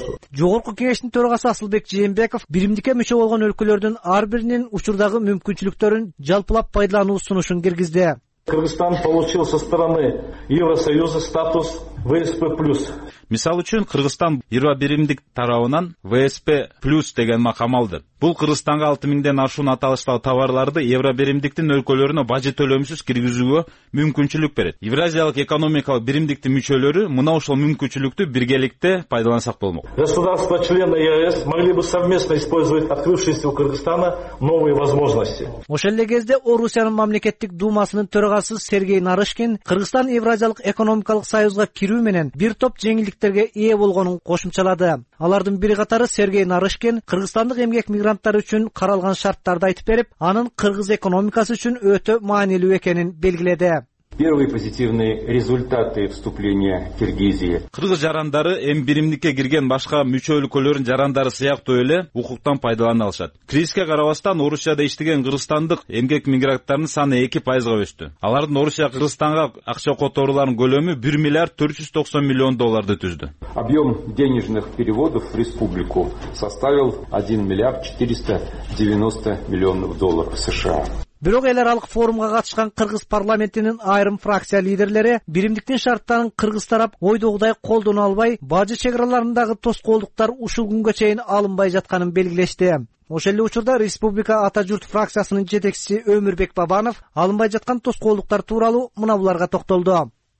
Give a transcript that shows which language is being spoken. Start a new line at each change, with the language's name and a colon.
Kyrgyz: Жогорку кеңештин төрагасы Асылбек Жээнбеков биримдикке мүчө болгон өлкөлөрдүн ар биринин учурдагы мүмкүнчүлүктөрүн жалпылап пайдалануу сунушун киргизди.
Russian: Кыргызстан получил со стороны Евросоюза статус ВСП плюс.
Kyrgyz: Мисал үчүн Кыргызстан 21-имдик тарабынан ВСП плюс деген макам алды. Бул Кыргызстанга 6000ден ашуун аталыштагы товарларды Евробиримдиктин өлкөлөрүнө баже төлөмсүз киргизүүгө мүмкүнчүлүк берет. Евразиялык экономикалык биримдиктин мүчөлөрү мына ошол мүмкүнчүлүктү биргеликте пайдалансак болмок.
Russian: Государства члены ЕС могли бы совместно использовать открывшиеся у Кыргызстана новые возможности.
Kyrgyz: Ошол эле кезде Орусиянын мамлекеттик думасынын төрагасы Сергей Нарышкин Кыргызстан Евразиялык экономикалык союзга кирүү менен бир топ жеңилдиктерге ээ болгонун кошумчалады. Алардын бири катары Сергей Нарышкин кыргызстандык эмгек мигранттар үчүн каралган шарттарды айтып берип, анын кыргыз экономикасы үчүн өтө маанилүү экенин белгиледи.
Russian: Первые позитивные результаты вступления Киргизии.
Kyrgyz: Кыргыз жарандары М1-ке кирген башка мүчө өлкөлөрүн жарандары сыяктуу эле укуктан пайдалана алышат. Кризиске карабастан Орусияда иштеген кыргызстандык эмгек мигранттарынын саны 2% өстү. Алардын Орусия Кыргызстанга акча которууларынын көлөмү 1 миллиард 490 миллион долларды түздү.
Russian: Объем денежных переводов в республику составил 1 миллиард 490 миллионов долларов США.
Kyrgyz: Бирок эл аралык форумга катышкан кыргыз парламентинин айрым фракция лидерлери биримдиктин шарттарын кыргыз тарап ойдогудай колдоно албай, бажы чек аралыгындагы тоскоолдуктар ушул күнгө чейин алынбай жатканын белгилешти. Ошол эле учурда Республика Ата Журт фракциясынын жетекчиси Өмүрбек Бабанов алынбай жаткан тоскоолдуктар тууралуу мына буларга токтолду.